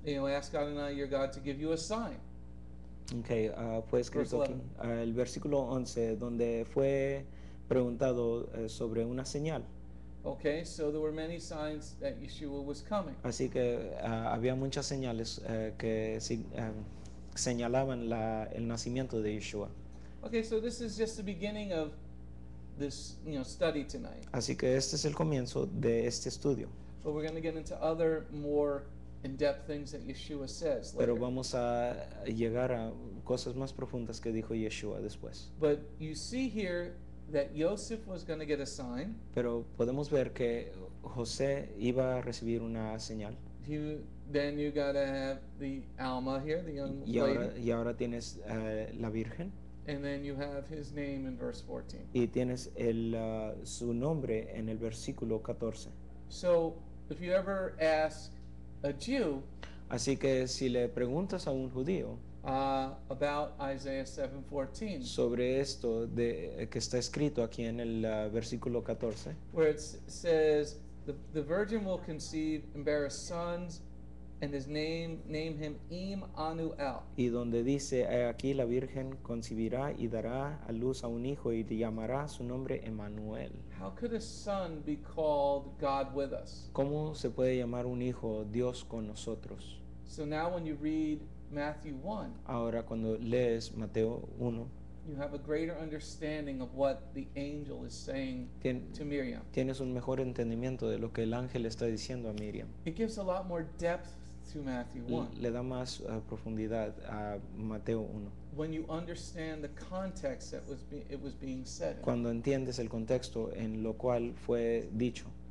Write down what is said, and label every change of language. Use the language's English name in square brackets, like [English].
[English] You know, ask God and I, your God, to give you a sign. [Spanish] Okay, fue escrito aquí, el versículo 11, donde fue preguntado sobre una señal. [English] Okay, so there were many signs that Yeshua was coming. [Spanish] Así que había muchas señales que señalaban el nacimiento de Yeshua. [English] Okay, so this is just the beginning of this, you know, study tonight. [Spanish] Así que este es el comienzo de este estudio. [English] But we're going to get into other more in-depth things that Yeshua says later. [Spanish] Pero vamos a llegar a cosas más profundas que dijo Yeshua después. [English] But you see here that Joseph was going to get a sign. [Spanish] Pero podemos ver que José iba a recibir una señal. [English] Then you got to have the Alma here, the young lady. [Spanish] Y ahora tienes la Virgen. [English] And then you have his name in verse 14. [Spanish] Y tienes su nombre en el versículo 14. [English] So, if you ever ask a Jew, [Spanish] así que si le preguntas a un judío, [English] about Isaiah 7:14, [Spanish] sobre esto de que está escrito aquí en el versículo 14, [English] where it says the virgin will conceive and bear sons. And his name him Immanuel. [Spanish] Y donde dice aquí la virgen concebirá y dará a luz a un hijo y llamará su nombre Emmanuel. [English] How could a son be called God with us? [Spanish] ¿Cómo se puede llamar un hijo Dios con nosotros? [English] So now when you read Matthew 1, [Spanish] ahora cuando lees Mateo 1, [English] you have a greater understanding of what the angel is saying to Miriam. [Spanish] Tienes un mejor entendimiento de lo que el ángel está diciendo a Miriam. [English] It gives a lot more depth to Matthew 1. [Spanish] Le da más profundidad a Mateo 1. [English] When you understand the context that was it was being said. [Spanish] Cuando entiendes el contexto en lo cual fue dicho.